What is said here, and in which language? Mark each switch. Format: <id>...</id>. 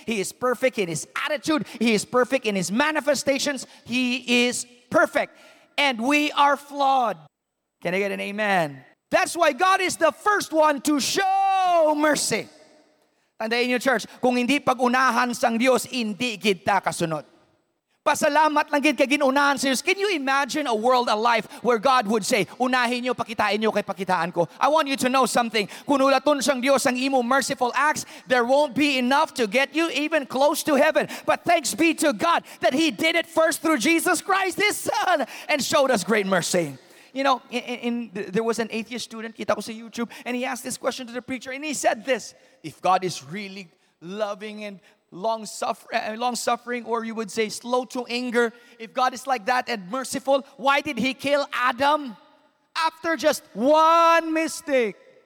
<en>He is perfect in His attitude. He is perfect in His manifestations. He is perfect. And we are flawed. Can I get an amen? That's why God is the first one to show mercy.</en> <tl>Tandaan niyo, church, kung hindi pag-unahan sang Diyos, hindi kita kasunod.</tl> <hil>Pasalamat lang gid kay ginunahan sa Dios.</hil> <en>Can you imagine a world, a life where God would say,</en> <tl>unahin niyo, pakitain niyo kay pakitaan ko?</tl> <en>I want you to know something.</en> <hil>Kung ulaton sang Dios ang imo</hil> <en>merciful acts, there won't be enough to get you even close to heaven. But thanks be to God that He did it first through Jesus Christ, His Son, and showed us great mercy. You know, there was an atheist student,</en> <tl>kita ko sa YouTube,</tl> <en>and he asked this question to the preacher, and he said this, if God is really loving and long-suffering, or you would say slow to anger, if God is like that and merciful, why did He kill Adam after just one mistake?</en>